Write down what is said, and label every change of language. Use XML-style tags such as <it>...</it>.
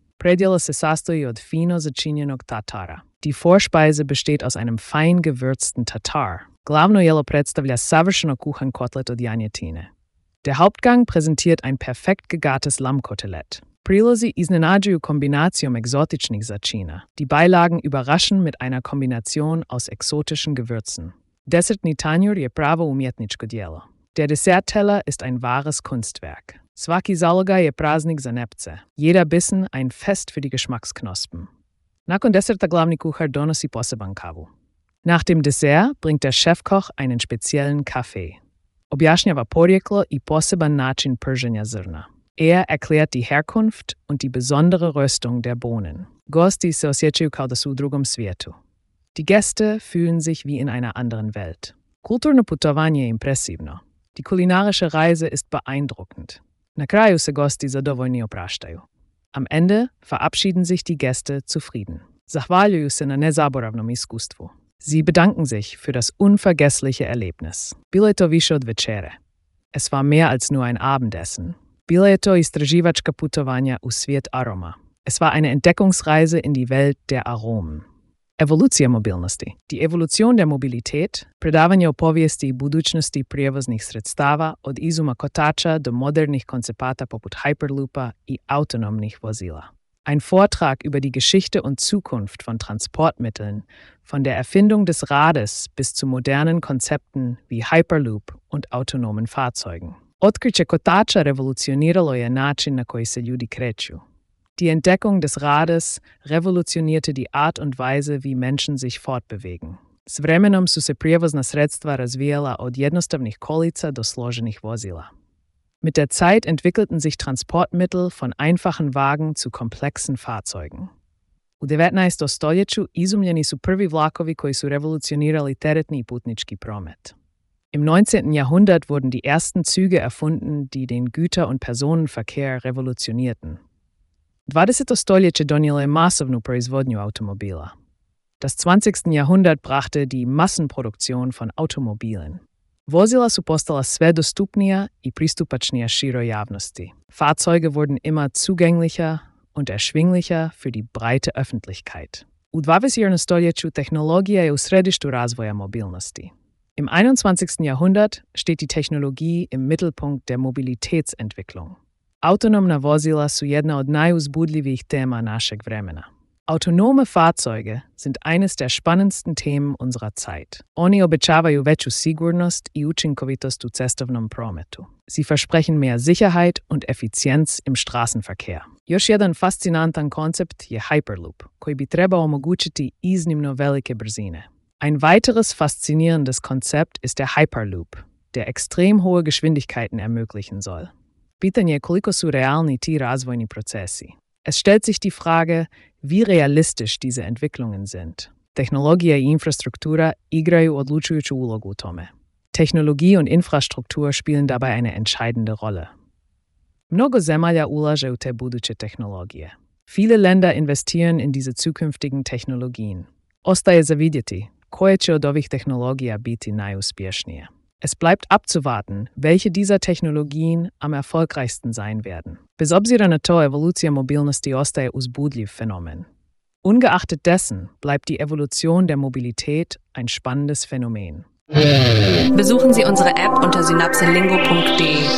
<hr>Predjelo se sastoji od fino začinjenog tatara.</hr> <de>Die Vorspeise besteht aus einem fein gewürzten Tatar.</de> <hr>Glavno jelo predstavlja savršeno kuhankotlet od janjetine.</hr> <de>Der Hauptgang präsentiert ein perfekt gegartes Lammkotelett.</de> <hr>Prilozi iznenađuju kombinacijom egzotičnih začina.</hr> <de>Die Beilagen überraschen mit einer Kombination aus exotischen Gewürzen.</de> <hr>Desertni tanjur je pravo umjetničko djelo.</hr> <de>Der Dessertteller ist ein wahres Kunstwerk.</de> <hr>Svaki zaloga je praznik za nepce.</hr> <de>Jeder Bissen ein Fest für die Geschmacksknospen.</de> <hr>Nakon deserta glavni kuhar donosi poseban kavu.</hr> <de>Nach dem Dessert bringt der Chefkoch einen speziellen Kaffee.</de> <hr>Objašnjava porijeklo i poseban način prženja zrna.</hr> <de>Erklärt die Herkunft und die besondere Röstung der Bohnen.</de> <hr>Gosti se osjećaju kao da su u drugom svijetu.</hr> <de>Die Gäste fühlen sich wie in einer anderen Welt.</de> <hr>Kulturno putovanje impresivno.</hr> <de>Die kulinarische Reise ist beeindruckend.</de> <hr>Na kraju se gosti zadovoljni opraštaju.</hr> <de>Am Ende verabschieden sich die Gäste zufrieden.</de> <hr>Zahvaljuju se na nezaboravnom iskustvu.</hr> <de>Sie bedanken sich für das unvergessliche Erlebnis.</de> <hr>Bilo je to više od večere.</hr> <de>Es war mehr als nur ein Abendessen.</de> <hr>Bilo je to istraživačka putovanja u svijet aroma.</hr> <de>Es war eine Entdeckungsreise in die Welt der Aromen.</de> <hr>Evolucija mobilnosti.</hr> <de>Die Evolution der Mobilität,</de> <hr>predavanje o povijesti i budućnosti prijevoznih sredstava od izuma kotača do modernih koncepata poput Hyperloopa i autonomnih vozila.</hr> <de>Ein Vortrag über die Geschichte und Zukunft von Transportmitteln, von der Erfindung des Rades bis zu modernen Konzepten wie Hyperloop und autonomen Fahrzeugen.</de> <hr>Otkriće kotača revolucioniralo je način na koji se ljudi kreću.</hr> <de>Die Entdeckung des Rades revolutionierte die Art und Weise, wie Menschen sich fortbewegen.</de> <hr>S vremenom su se prijevozna sredstva razvijala od jednostavnih kolica do složenih vozila.</hr> <de>Mit der Zeit entwickelten sich Transportmittel von einfachen Wagen zu komplexen Fahrzeugen. U 19.</de> <hr>stoljeću izumljeni su prvi vlakovi koji su revolucionirali teretni i putnički promet. Im 19.</hr> <de>Jahrhundert wurden die ersten Züge erfunden, die den Güter- und Personenverkehr revolutionierten.</de> <hr>20. stoljeće donijelo je masovnu proizvodnju automobila.</hr> <de>Das 20. Jahrhundert brachte die Massenproduktion von Automobilen.</de> <hr>Vozila su postala sve dostupnija i pristupačnija široj javnosti.</hr> <de>Fahrzeuge wurden immer zugänglicher und erschwinglicher für die breite Öffentlichkeit.</de> <hr>U 21. stoljeću tehnologija je u središtu razvoja mobilnosti.</hr> <de>Im 21. Jahrhundert steht die Technologie im Mittelpunkt der Mobilitätsentwicklung.</de> <hr>Autonomna vozila su jedna od najuzbudljivijih tema našeg vremena.</hr> <de>Autonome Fahrzeuge sind eines der spannendsten Themen unserer Zeit.</de> <hr>Oni obećavaju veću sigurnost i učinkovitost u cestovnom prometu.</hr> <de>Sie versprechen mehr Sicherheit und Effizienz im Straßenverkehr.</de> <hr>Još jedan fascinantan koncept je Hyperloop, koji bi trebao omogućiti iznimno velike brzine.</hr> <de>Ein weiteres faszinierendes Konzept ist der Hyperloop, der extrem hohe Geschwindigkeiten ermöglichen soll.</de> <hr>Pitanje je koliko su realni ti razvojni procesi.</hr> <de>Es stellt sich die Frage, wie realistisch diese Entwicklungen sind. Technologie und Infrastruktur</de> <hr>igraju odlučujuću ulogu u tome.</hr> <de>Technologie und Infrastruktur spielen dabei eine entscheidende Rolle.</de> <hr>Mnogo zemalja ulaže u te buduće tehnologije.</hr> <de>Viele Länder investieren in diese zukünftigen Technologien.</de> <hr>Ostaje za vidjeti, koje će od ovih tehnologija biti najuspješnije.</hr> <de>Es bleibt abzuwarten, welche dieser Technologien am erfolgreichsten sein werden.</de> <hr>Bez obzira na to, evolucija mobilnosti ostaje uzbudljiv fenomen.</hr> <de>Ungeachtet dessen bleibt die Evolution der Mobilität ein spannendes Phänomen. Besuchen Sie unsere App unter synapselingo.de.</de>